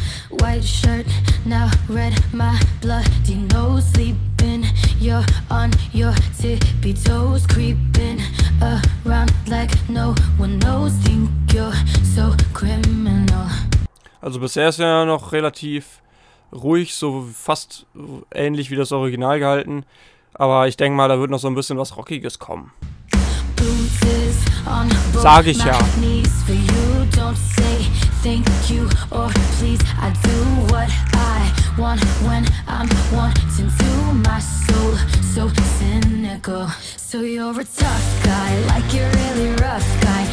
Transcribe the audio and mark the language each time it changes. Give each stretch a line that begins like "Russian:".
English: White shirt, now red, my bloody nose sleeping. You're on your tippy toes, creeping around like no one knows. Think you're so criminal.
German: Also bisher ist ja noch relativ ruhig, so fast ähnlich wie das Original gehalten. Aber ich denke mal, da wird noch so ein bisschen was Rockiges kommen.
English: Bruises on both
German: Sag ich ja.
English: my knees for you, don't say thank you or please. I do what I want when I'm wanting to. My soul so cynical. So you're a tough guy, like you're really rough guy.